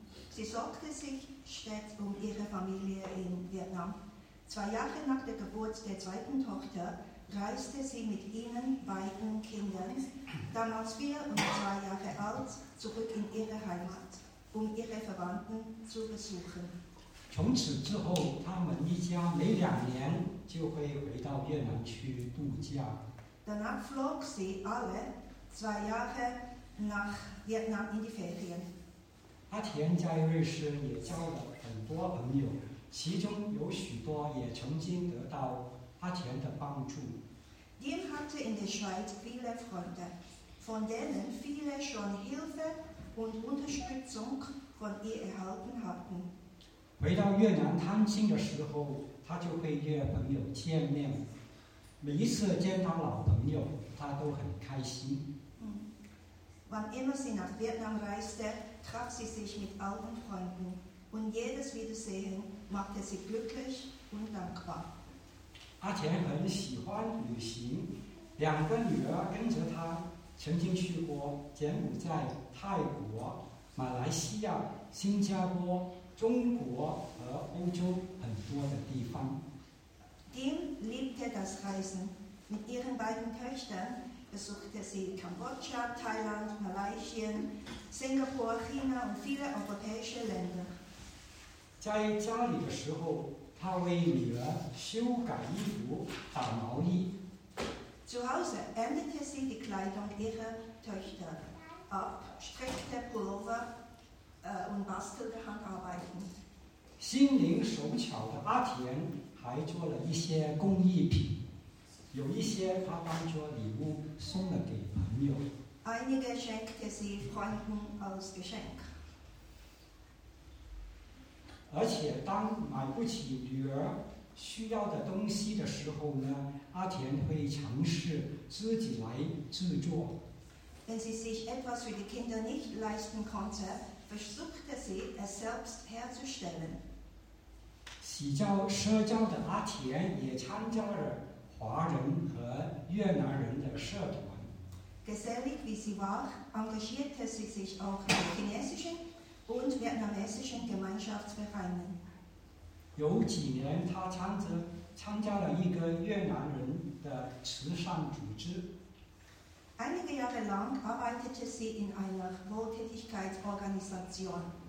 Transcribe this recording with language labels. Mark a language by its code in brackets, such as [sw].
[de] Sie sorgte sich stets um ihre Familie in Vietnam. 2 Jahre nach der Geburt der zweiten Tochter reiste sie mit ihnen beiden Kindern, damals 4 und 2 Jahre alt, zurück in ihre Heimat, um ihre Verwandten zu besuchen. [zh] 从此之后，他们一家每2年就会回到越南去度假。 [de] Danach flog sie alle 2 Jahre nach Vietnam in die Ferien. [zh] 阿田在瑞士也交了很多朋友，其中有许多也曾经得到阿田的帮助。 [de] Dean hatte in der Schweiz viele Freunde, von denen viele schon Hilfe und Unterstützung von ihr erhalten hatten. [zh] 回到越南探亲的时候，他就会约朋友见面。每一次见到老朋友，他都很开心。 [de] Wann immer sie nach Vietnam reiste, traf sie sich mit alten Freunden und jedes Wiedersehen machte sie glücklich und dankbar. [zh] 阿田很喜欢旅行，两个女儿跟着他曾经去过柬埔寨、泰国、马来西亚、新加坡、中国和欧洲很多的地方。 [de] Dean liebte das Reisen. Mit ihren beiden Töchtern besuchte sie Kambodscha, Thailand, Malaysia, Singapur, China und viele europäische Länder. [zh] 在家里的时候，他为女儿修改衣服、打毛衣。 [de] Zu Hause änderte sie die Kleidung ihrer Töchter ab, streckte Pullover und bastelte Handarbeiten. [zh] 心灵手巧的阿田还做了一些工艺品，有一些他当作礼物送了给朋友。 [de] Einige schenkte sie Freunden als Geschenk. [zh] 而且当买不起女儿需要的东西的时候呢，阿田会尝试自己来制作。 [de] Wenn sie sich etwas für die Kinder nicht leisten konnte, versuchte sie es selbst herzustellen. [zh] 喜交社交的阿田也参加了华人和越南人的社团。 [de] Gesellig wie sie war, engagierte sie sich auch in chinesischen und vietnamesischen Gemeinschaftsvereinen. [zh] 有几年他参加了一个越南人的慈善组织。 [de] Einige Jahre lang arbeitete sie in einer Wohltätigkeitsorganisation.